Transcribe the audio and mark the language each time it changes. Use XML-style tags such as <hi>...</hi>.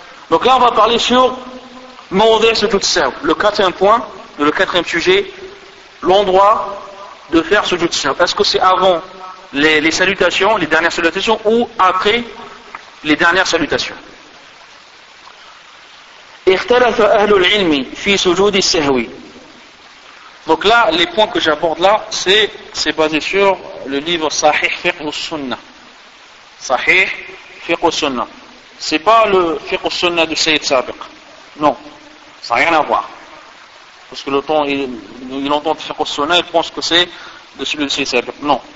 <fr>Donc là, on va parler sur Mawdi' Sujoud Sahw. Le quatrième point, le quatrième sujet, l'endroit de faire Sujoud Sahw. Est-ce que c'est avant les salutations, les dernières salutations, ou après les dernières salutations?</fr> <ar>اختلف أهل العلم في سجود السهو.</ar> <fr>Donc là, les points que j'aborde là, c'est basé sur le livre Sahih Fiqh al-Sunnah. Sahih Fiqh al-Sunnah. C'est pas le Fiqh al-Sunnah de Sayyid Sabiq. Non. Ça n'a rien à voir. Parce que le temps, il entend Fiqh al-Sunnah, il pense que c'est de celui de Sayyid Sabiq. Non.</fr>